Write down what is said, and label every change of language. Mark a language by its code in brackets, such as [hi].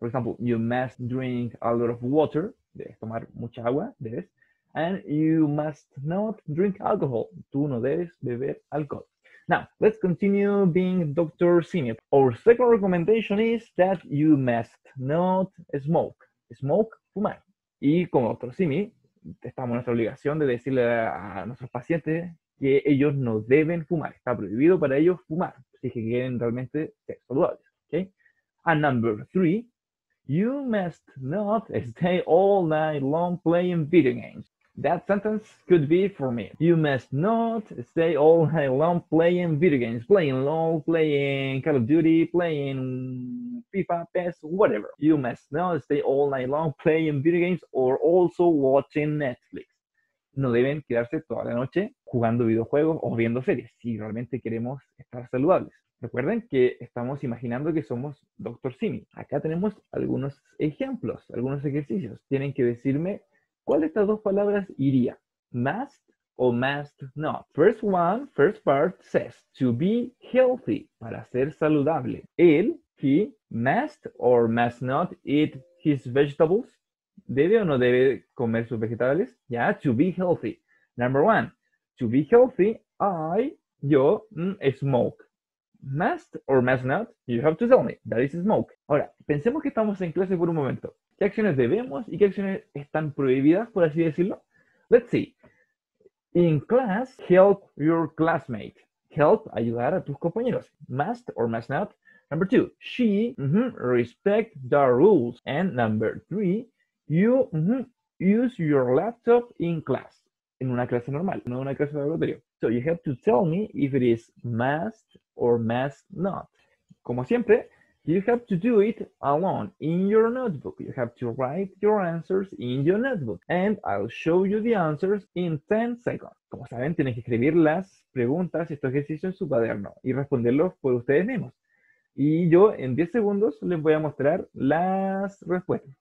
[en] For example, you must drink a lot of water. [es] Debes tomar mucha agua, debes. [en] And you must not drink alcohol. [es] Tú no debes beber alcohol. [en] Now, let's continue being Dr. Simi. Our second recommendation is that you must not smoke. [es] Smoke, fumar. Y como Dr. Simi, estamos en nuestra obligación de decirle a nuestros pacientes que ellos no deben fumar. Está prohibido para ellos fumar, si quieren realmente ser saludables. [en] Okay? And number three, you must not stay all night long playing video games. That sentence could be for me. You must not stay all night long playing video games. Playing LOL, playing Call of Duty, playing FIFA, PES, whatever. You must not stay all night long playing video games or also watching Netflix. [es] No deben quedarse toda la noche jugando videojuegos o viendo series si realmente queremos estar saludables. Recuerden que estamos imaginando que somos Dr. Simi. Acá tenemos algunos ejemplos, algunos ejercicios. Tienen que decirme, ¿cuál de estas dos palabras iría? [en] Must o must not. First one, first part says to be healthy, [es] para ser saludable. [en] Él, he, must or must not eat his vegetables. [es] ¿Debe o no debe comer sus vegetales? Ya, yeah, [en] to be healthy. Number one, to be healthy, I, yo, smoke. Must or must not, you have to tell me. That is smoke. [es] Ahora, pensemos que estamos en clase por un momento. ¿Qué acciones debemos y qué acciones están prohibidas, por así decirlo? [en] Let's see. In class, help your classmate. Help, [es] ayudar a tus compañeros. [en] Must or must not. Number two, she, respect the rules. And number three, you, use your laptop in class. [es] En una clase normal, no una clase de laboratorio. [en] So you have to tell me if it is must or must not. [es] Como siempre, [en] you have to do it alone in your notebook. You have to write your answers in your notebook. And I'll show you the answers in 10 seconds. [es] Como saben, tienen que escribir las preguntas y estos ejercicios en su cuaderno y responderlos por ustedes mismos. Y yo en 10 segundos les voy a mostrar las respuestas.